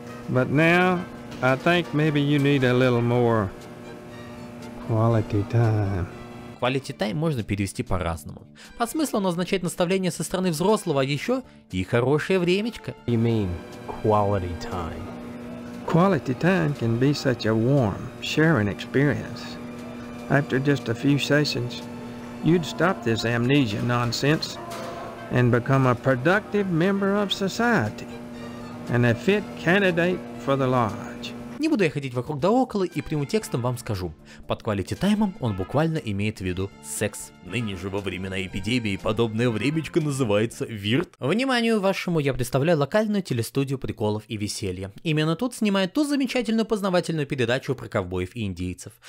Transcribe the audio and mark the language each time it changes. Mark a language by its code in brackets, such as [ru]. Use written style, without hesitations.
[en] But now, I think maybe you need a little more quality time. [ru] Quality time можно перевести по-разному. По смыслу он означает наставление со стороны взрослого, а еще и хорошее времечко. [en] You mean quality time? Quality time can be such a warm, sharing experience. After just a few sessions, you'd stop this amnesia nonsense and become a productive member of society and a fit candidate for the lodge. [ru] Не буду я ходить вокруг да около и прямым текстом вам скажу. Под quality time он буквально имеет в виду секс. Ныне же во времена эпидемии подобное времечко называется вирт. Вниманию вашему, я представляю локальную телестудию приколов и веселья. Именно тут снимают ту замечательную познавательную передачу про ковбоев и индейцев.